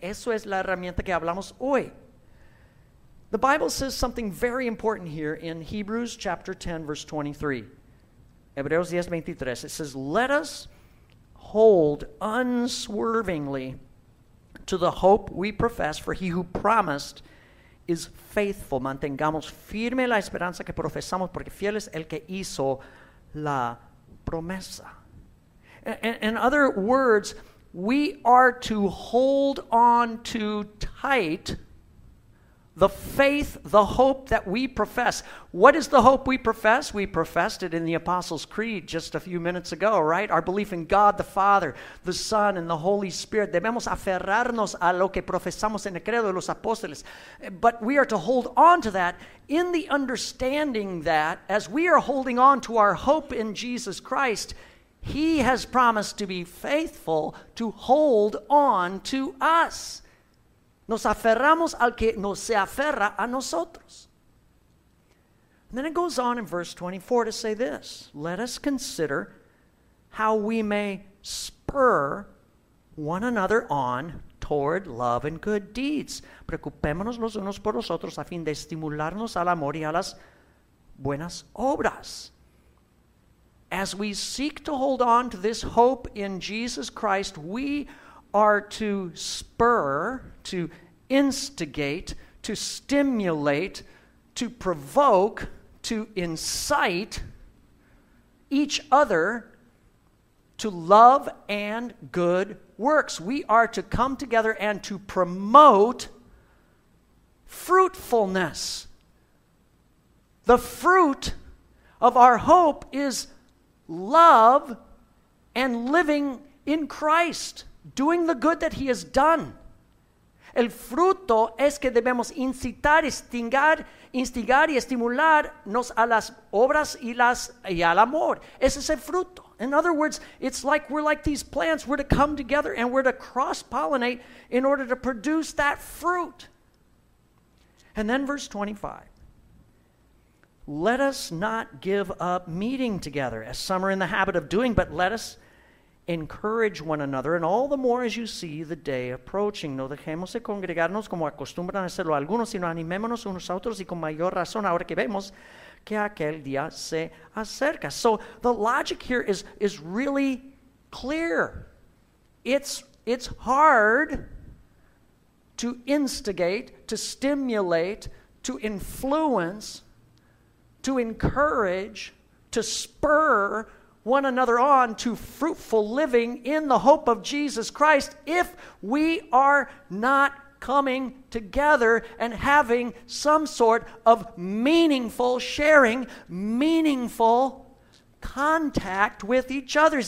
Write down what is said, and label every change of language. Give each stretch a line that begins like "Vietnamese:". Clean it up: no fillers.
Spanish: Eso es la herramienta que hablamos hoy.
English: The Bible says something very important here in Hebrews chapter 10, verse 23.
Spanish: Hebreos 10, 23.
English: It says, let us hold unswervingly to the hope we profess, for he who promised is faithful.
Spanish: Mantengamos firme la esperanza que profesamos, porque fiel es el que hizo la promesa.
English: In other words, we are to hold on to tight the faith, the hope that we profess. What is the hope we profess? We professed it in the Apostles' Creed just a few minutes ago, right? Our belief in God the Father, the Son, and the Holy Spirit.
Spanish: Debemos aferrarnos a lo que profesamos en el credo de los apóstoles.
English: But we are to hold on to that in the understanding that as we are holding on to our hope in Jesus Christ, he has promised to be faithful to hold on to us.
Spanish: Nos aferramos al que nos se aferra a nosotros.
English: And then it goes on in verse 24 to say this. Let us consider how we may spur one another on toward love and good deeds.
Spanish: Preocupémonos los unos por los otros a fin de estimularnos al amor y a las buenas obras.
English: As we seek to hold on to this hope in Jesus Christ, we are to spur, to instigate, to stimulate, to provoke, to incite each other to love and good works. We are to come together and to promote fruitfulness. The fruit of our hope is love and living in Christ, doing the good that he has done.
Spanish: El fruto es que debemos incitar, instigar y estimularnos a las obras y al amor. Ese es el fruto.
English: In other words, it's like we're like these plants. We're to come together and we're to cross-pollinate in order to produce that fruit. And then verse 25. Let us not give up meeting together, as some are in the habit of doing, but let us encourage one another, and all the more as you see the day approaching.
Spanish: No dejemos de congregarnos como acostumbran a hacerlo algunos, sino animémonos unos a otros y con mayor razón ahora que vemos que aquel día se acerca.
English: So the logic here is really clear. It's hard to instigate, to stimulate, to influence, to encourage, to spur one another on to fruitful living in the hope of Jesus Christ if we are not coming together and having some sort of meaningful sharing, meaningful contact with each other.